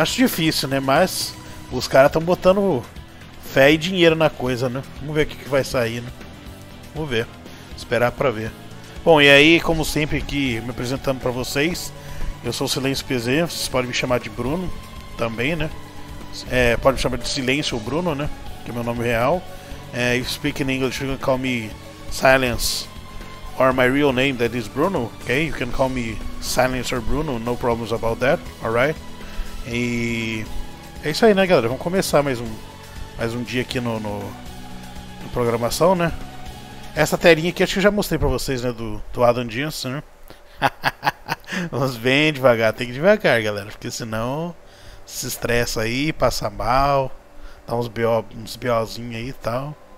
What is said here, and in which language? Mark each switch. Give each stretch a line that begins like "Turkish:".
Portuguese: Acho difícil, né, mas... os caras estão botando fé e dinheiro na coisa, né? Vamos ver o que vai sair, né? Vamos ver. Esperar pra ver. Bom, e aí, como sempre aqui, me apresentando pra vocês. Eu sou o Silêncio PZ, vocês podem me chamar de Bruno também, né? É, pode me chamar de Silêncio ou Bruno, né? Que é meu nome real.
English: É, if you speak in English, you can call me Silence. Or my real name, that is Bruno, ok? You can call me Silence or Bruno, no problems about that, alright?
Portuguese: E... é isso aí, né, galera? Vamos começar mais um dia aqui no programação, né? Essa telinha aqui acho que eu já mostrei pra vocês, né, do Adam Jensen, né? Vamos bem devagar, tem que ir devagar, galera, porque senão se estressa aí, passa mal, dá uns BOzinhos aí e tal.